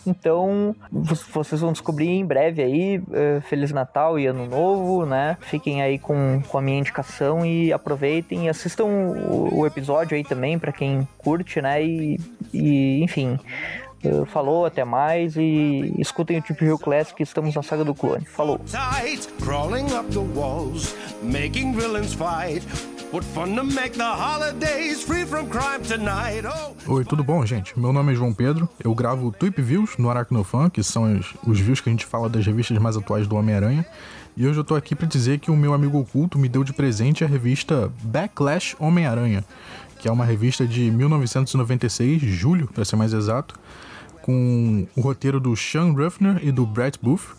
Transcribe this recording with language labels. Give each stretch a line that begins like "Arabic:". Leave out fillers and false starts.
Portuguese: Então, vocês vão descobrir em breve aí, Feliz Natal e Ano Novo, né, fiquem aí com a minha indicação e aproveitem e assistam o episódio aí também, pra quem curte, né, e enfim, falou, até mais, e escutem o Tipo Rio Classic, estamos na Saga do Clone. Falou.
English: Crawling up the walls, making villains fight. What fun to make the holidays free from crime tonight.
Portuguese: Oi, tudo bom, gente? Meu nome é João Pedro. Eu gravo Tweep Views no Aracnofan, que são os views que a gente fala das revistas mais atuais do Homem-Aranha. E hoje eu tô aqui pra dizer que o meu amigo oculto me deu de presente a revista Backlash Homem-Aranha, que é uma revista de 1996, julho, pra ser mais exato, com o roteiro do Sean Ruffner e do Brett Booth.